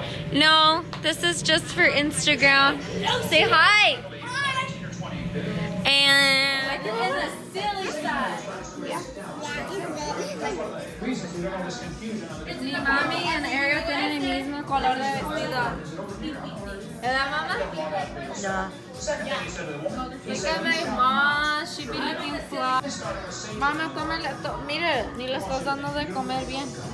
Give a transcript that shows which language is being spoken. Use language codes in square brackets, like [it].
[en] No, this is just for Instagram. Say hi. And look at the silly side. Yeah. [es] Es mi mami y en Ariel tienen el mismo color de vestido. ¿Verdad, mamá? Ya. [en] Look at my mom, she be looking fly. [es] Mami, come la to. Mire, ni le estás dando de comer bien.